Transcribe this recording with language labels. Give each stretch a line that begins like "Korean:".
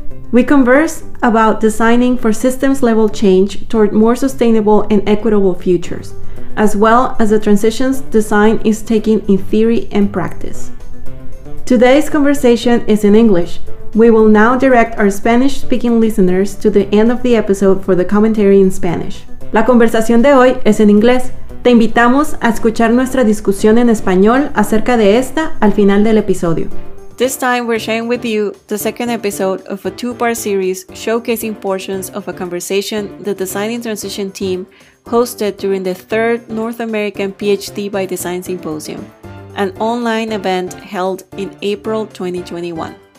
English: We converse about designing for systems-level change toward more sustainable and equitable futures, as well as the transitions design is taking in theory and practice. Today's conversation is in English. We will now direct our Spanish-speaking listeners to the end of the episode for the commentary in Spanish.
Spanish: La conversación de hoy es en inglés. Te invitamos a escuchar nuestra discusión en español acerca de esta al final del episodio.
English: This time we're sharing with you the second episode of a two-part series showcasing portions of a conversation the Designing Transition team hosted during the 3rd North American PhD by Design Symposium, an online event held in April 2021.